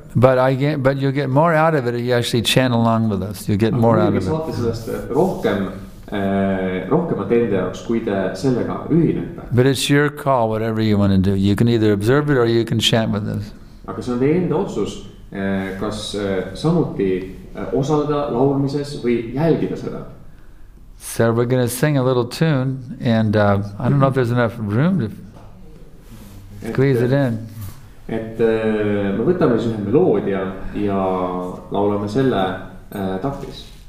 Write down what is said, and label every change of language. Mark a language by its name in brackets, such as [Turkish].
[English] But you get more out of it if you actually chant along with us. You get more out of it. [Estonian] Saate sellest rohkemat enda jaoks, kui te sellega ühinete. [English] But it's your call, whatever you want to do. You can either observe it or you can chant with us. [Estonian] Aga see on teie enda otsus, kas samuti osalda laulmises või jälgida seda. [English] So we're going to sing a little tune, and I don't know if there's enough room to squeeze it in. [Estonian] Me võtame siis ühe meloodia ja laulame selle taktis.